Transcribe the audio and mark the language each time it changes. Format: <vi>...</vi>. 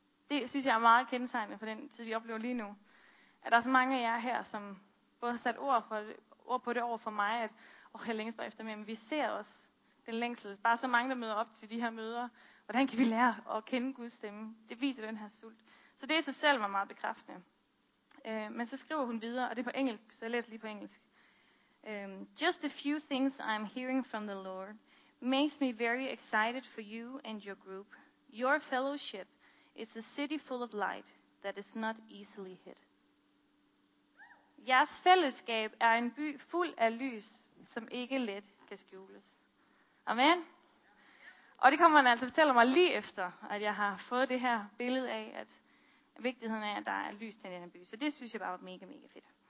<da>Det synes jeg er meget kendetegnende for den tid, vi oplever lige nu. At der er så mange af jer her, som både har sat ord på det over for mig, at jeg længes bare efter mere, men vi ser også den længsel. Bare så mange, der møder op til de her møder. Hvordan kan vi lære at kende Guds stemme? Det viser den her sult. Så det i sig selv var meget bekræftende. Men så skriver hun videre, og det er på engelsk, så jeg læser lige på engelsk.</da> <en>Just a few things I'm hearing from the Lord makes me very excited for you and your group. Your fellowship is a city full of light that is not easily hit.</en> <da>Jeres fællesskab er en by fuld af lys, som ikke let kan skjules. Amen. Og det kommer han altså fortæller mig lige efter, at jeg har fået det her billede af, at vigtigheden er, at der er lys til den her by. Så det synes jeg bare var mega, mega fedt.</da>